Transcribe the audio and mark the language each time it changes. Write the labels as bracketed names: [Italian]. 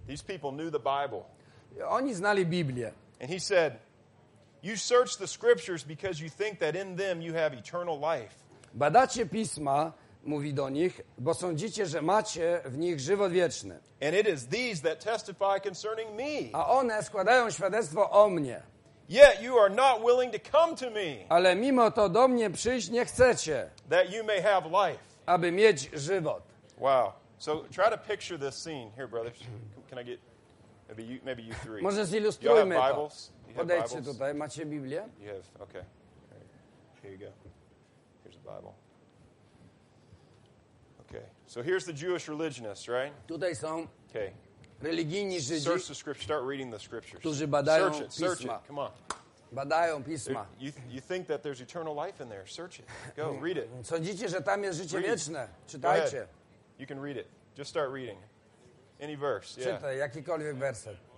[English] These people knew the Bible. [Polish] Oni znali Biblię. [English] And he said, "You search the scriptures because you think that in them you have eternal life." [Polish] Badacie pisma, mówi do nich, bo sądzicie, że macie w nich żywot wieczny. [English] And it is these that testify concerning me. [Polish] A one składają świadectwo o mnie. [English] Yet you are not willing to come to me. [Polish] Ale mimo to do mnie przyjść nie chcecie. [English] That you may have life. [Polish] Aby mieć żywot. [English] Wow. So try to picture this scene here, brothers. Can I get maybe you three? [Polish] Może zilustrujmy to. Podejdźcie tutaj, macie Biblię? [English] You have, okay. Here you go. Here's the Bible. Okay. So here's the Jewish religionists, right? [Polish] Tutaj są. [English] Okay. [Polish] Religijni Żydzi, [English] search the scriptures. Start reading the scriptures. [Polish] Którzy badają [English] search it, [Polish] pisma. [English] Search it. Come on. [Polish] Badają pisma. [English] You think that there's eternal life in there? Search it. Go read it. [Polish] Sądzicie, że tam jest życie wieczne? Czytajcie. [English] You can read it. Just start reading. Any verse. Yeah. [Polish] Czytaj jakikolwiek werset.